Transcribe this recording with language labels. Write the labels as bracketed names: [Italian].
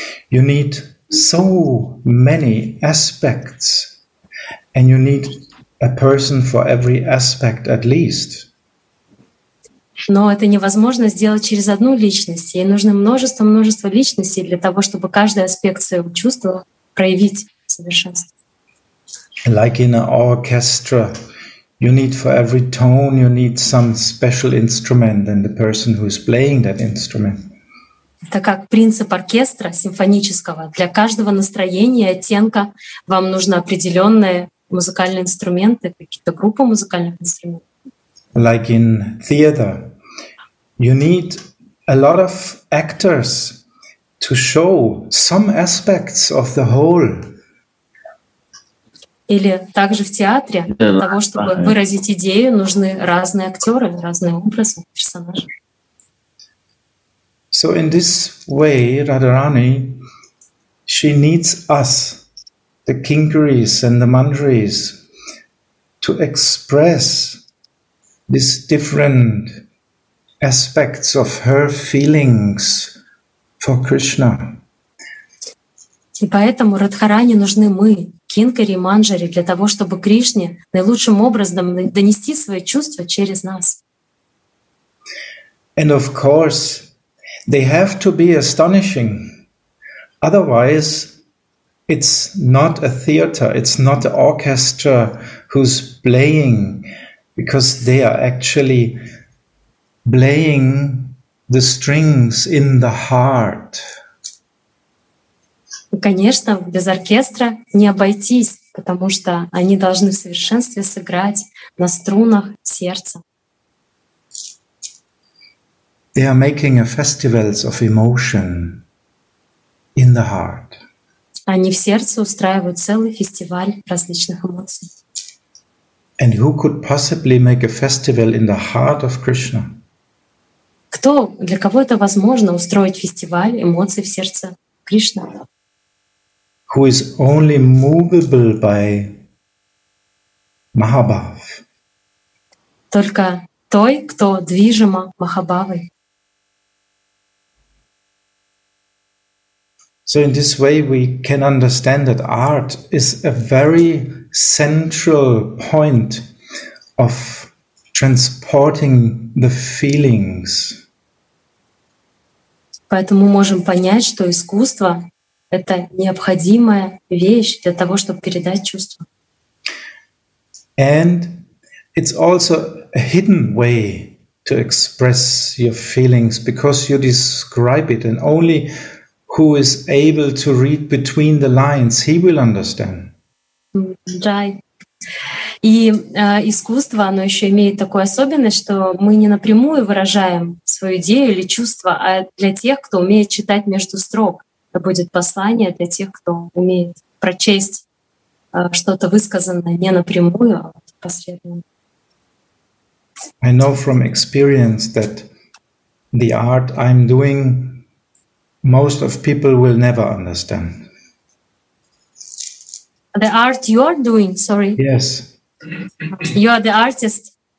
[English] You need so many aspects, and you need a person for every aspect at least. [Russian] Но это невозможно сделать через одну личность. Ей нужно множество личностей для того, чтобы каждый аспект своего чувства проявить в совершенстве. [English] Like in an orchestra, You need for every tone, you need some special instrument and the person who is playing that instrument. [Russian] Это как принцип оркестра симфонического. Для каждого настроения и оттенка вам нужны определенные музыкальные инструменты, какие-то группы музыкальных инструментов. [English] Like in theater, you need a lot of actors to show some aspects of the whole. [Russian] Или также в театре, для того, чтобы выразить идею, нужны разные актеры, разные образы, персонажи. [English] So in this way, Radharani, she needs us, the Kinkaris and the Mandaris, to express these different aspects of her feelings for Krishna. [Russian] И поэтому Радхарани нужны мы, Кинкари и Манджари, для того, чтобы Кришне наилучшим образом донести свои чувства через нас. [English] And of course, they have to be astonishing. Otherwise, it's not a theater, it's not an orchestra who's playing, because they are actually playing the strings in the heart. [Russian] Конечно, без оркестра не обойтись, потому что они должны в совершенстве сыграть на струнах сердца. [English] They are making a festivals of emotion in the heart. [Russian] Они в сердце устраивают целый фестиваль различных эмоций. [English] And who could possibly make a festival in the heart of Krishna? [Russian] Кто, для кого это возможно, устроить фестиваль эмоций в сердце Кришны? [English] Who is only movable by Mahabhav. [Russian] Только той, кто движима Махабхавой. [English] So in this way we can understand that art is a very central point of transporting the feelings. [Russian] Поэтому мы можем понять, что искусство — это необходимая вещь для того, чтобы передать чувства. [English] And it's also a hidden way to express your feelings, because you describe it, and only who is able to read between the lines, he will understand. [Russian] И искусство, оно еще имеет такую особенность, что мы не напрямую выражаем свою идею или чувство, а для тех, кто умеет читать между строк. Это будет послание для тех, кто умеет прочесть что-то высказанное не напрямую, а последовательно. [English] I know from experience that the art I'm doing most of people will never understand. The art you are doing, sorry. Yes. You are the artist.